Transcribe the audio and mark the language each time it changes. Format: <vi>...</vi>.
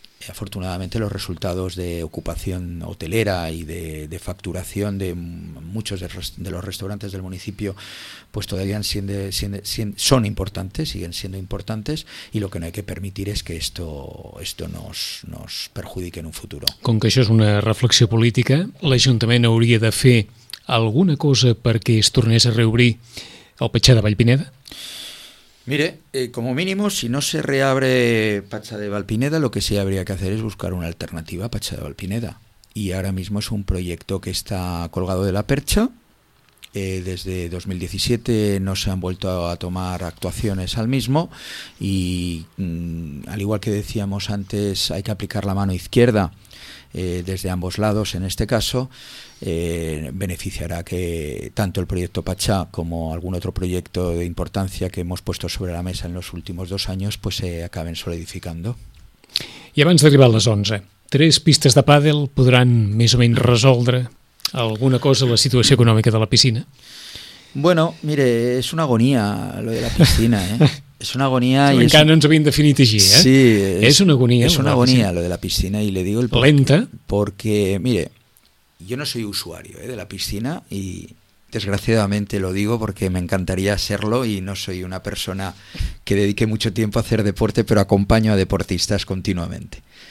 <es>Afortunadamente, los resultados de ocupación hotelera y de facturación de muchos de los restaurantes del municipio pues todavía son importantes, siguen siendo importantes, y lo que no hay que permitir es que esto nos perjudique en un futuro.</es> <ca>Com que això és una reflexió política, l'Ajuntament hauria de fer alguna cosa perquè es tornés a reobrir el Patxà de Vallpineda?</ca> <es>Mire, como mínimo, si no se reabre Patxà de Vallpineda, lo que sí habría que hacer es buscar una alternativa a Patxà de Vallpineda. Y ahora mismo es un proyecto que está colgado de la percha. Desde 2017 no se han vuelto a tomar actuaciones al mismo. Y al igual que decíamos antes, hay que aplicar la mano izquierda desde ambos lados. En este caso, beneficiará que tanto el proyecto Patxà como algún otro proyecto de importancia que hemos puesto sobre la mesa en los últimos dos años pues se acaben solidificando.</es> <ca>I abans d'arribar a les 11, tres pistes de pàdel podran més o menys resoldre alguna cosa la situació econòmica de la piscina?</ca> <es>Bueno, mire,</es> <ca>és una agonia</ca> <es>lo de la piscina,</es> <ca>És una agonia... I encara no ens havíem definit així, Sí. És una agonia. És una agonia</ca> <es>lo de la piscina, y le digo el... Lenta. Porque, mire, yo no soy usuario de la piscina y desgraciadamente lo digo porque me encantaría serlo y no soy una persona que dedique mucho tiempo a hacer deporte, pero acompaño a deportistas continuamente.</es>